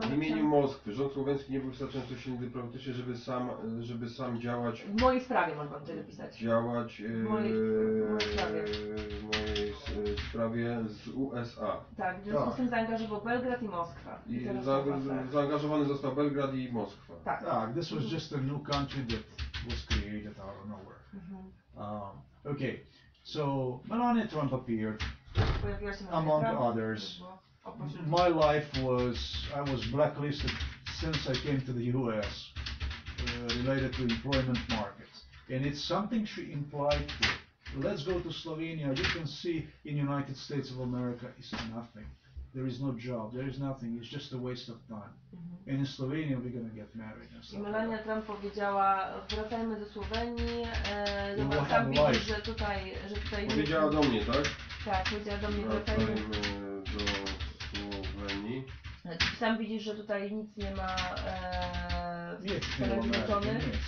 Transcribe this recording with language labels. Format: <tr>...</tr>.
<pl>W imieniu Moskwy, rząd słoweński nie był wystarczająco silny dyplomatycznie, żeby sam działać... W mojej sprawie mam pan tyle pisać. Działać w mojej sprawie z USA. Tak, w związku z tym zaangażował Belgrad i Moskwa. Zaangażowany został Belgrad i Moskwa. Tak,</pl> <en>this was just a new country that was created out of nowhere. Mm-hmm. Okay, so Melania Trump appeared, among others. My life was, I was blacklisted since I came to the U.S. Related to employment markets. And it's something she implied to. Let's go to Slovenia. You can see in United States of America, it's nothing. There is no job. There is nothing. It's just a waste of time. Mm-hmm. And in Slovenia, we're going to get married.</en> <pl>I Melania Trump powiedziała, wracajmy do Słowenii. Sam widzisz, że tutaj... Powiedziała do mnie, tak? Tak, powiedziała do mnie, wracajmy do Słowenii. Znaczy, sam widzisz, że tutaj nic nie ma w Stanach Zjednoczonych.</pl>